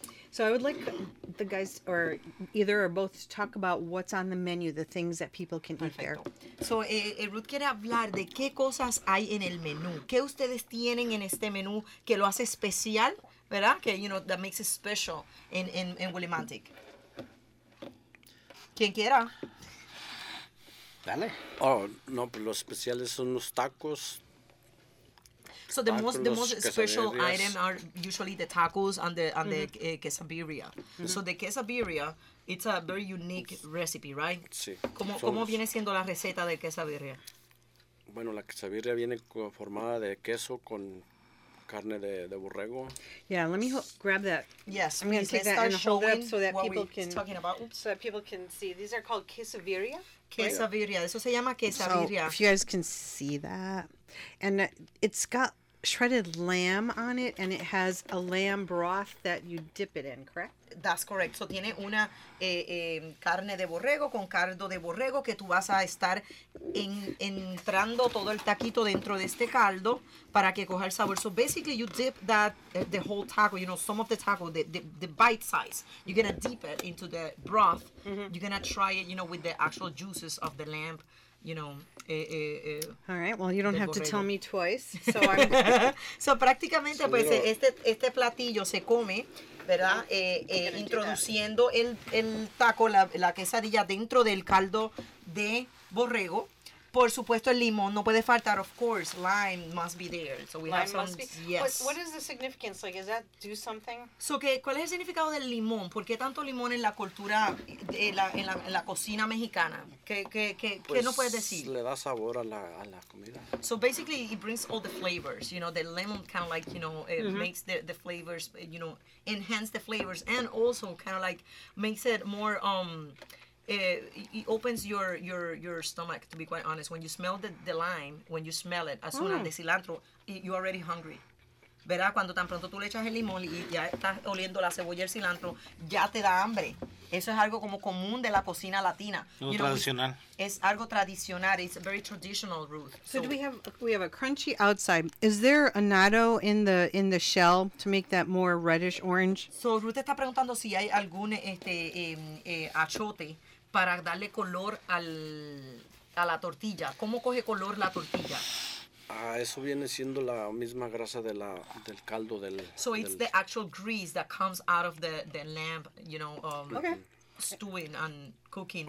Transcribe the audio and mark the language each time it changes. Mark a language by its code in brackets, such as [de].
[en] So I would like the guys, or either or both, to talk about what's on the menu, the things that people can [es] Perfecto. [en] Eat there. [es] So Ruth quiere hablar de qué cosas hay en el menú. ¿Qué ustedes tienen en este menú que lo hace especial, verdad? [en] Que, you know, that makes it special in Willimantic. [es] ¿Quién quiera? Dale. Oh, no, pero los especiales son los tacos. [en] So the most special item are usually the tacos and the quesabirria. Mm-hmm. So the quesabirria, it's a very unique recipe, right? [es] Sí. ¿Cómo viene siendo la receta de quesabirria? Bueno, la quesabirria viene formada de queso con carne de borrego. [en] Yeah, let me grab that. Yes. I'm going to take that and hold it so that people can talking about. So that people can see. These are called quesabirria. Quesabirria. [es] Eso se llama quesabirria. [en] So if you guys can see that. And it's got shredded lamb on it, and it has a lamb broth that you dip it in, correct? That's correct. [es] So tiene una carne de borrego con caldo de borrego que tú vas a estar entrando todo el taquito dentro de este caldo para que coja el sabor. [en] So basically you dip that, the whole taco, you know, some of the taco, the bite size. You're going to dip it into the broth. Mm-hmm. You're going to try it, you know, with the actual juices of the lamb. You know, All right, well, you don't have borrego. To tell me twice. [es] So prácticamente, pues, este platillo se come, ¿verdad? Introduciendo el taco, la quesadilla dentro del caldo de borrego. Por supuesto, el limón no puede faltar, [en] of course. Lime must be there. So we lime have some, must be. Yes. What is the significance? Like, is that do something? [es] So, ¿cuál es el significado del limón? ¿Por qué tanto limón en la cultura, en la cocina mexicana? ¿Qué no puedes decir? Le da sabor a la comida. [en] So, basically, it brings all the flavors. You know, the lemon kind of like, you know, it mm-hmm. makes the flavors, you know, enhance the flavors. And also kind of like makes it more... It opens your stomach, to be quite honest. When you smell the lime, when you smell it, as soon as the cilantro, you're already hungry. [es] ¿Verdad? Cuando tan pronto tú le echas el limón y ya estás oliendo la cebolla y el cilantro, ya te da hambre. Eso es algo como común de la cocina latina. Algo tradicional. Es algo tradicional. [en] It's a very traditional, Ruth. So do we have a crunchy outside. Is there annatto in the shell to make that more reddish orange? [es] So Ruth está preguntando si hay algún achote para darle color a la tortilla. ¿Cómo coge color la tortilla? Eso viene siendo la misma grasa de la del caldo del [en] so it's [es] del... [en] the actual grease that comes out of the lamb, you know, stewing and cooking.